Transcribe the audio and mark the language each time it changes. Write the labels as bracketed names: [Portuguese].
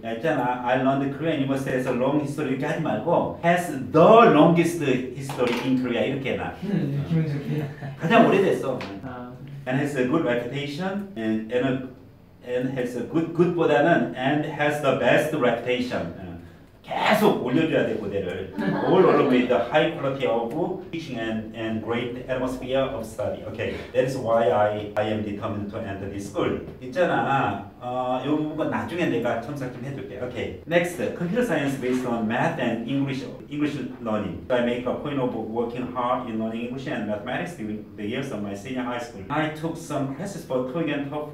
[Korean] 있잖아, [English] I learned Korean university has a long history [Korean] 이렇게 하지 말고 [English] has the longest history in Korea [Korean] 이렇게 해놔. 기분 좋게. 가장 오래됐어. [English] And has a good reputation and has a good [Korean] 보다는 [English] and has the best reputation. [Korean] 계속 올려줘야 돼 고대를. [English] All along with the high quality of teaching and great atmosphere of study. Okay, that's why I am determined to enter this school. [Korean] 있잖아. 이 부분 나중에 내가 첨삭 좀 해줄게. [English] Okay. Next, computer science based on math and English learning. So I make a point of working hard in learning English and mathematics during the years of my senior high school. I took some classes for TOEIC and TOEFL.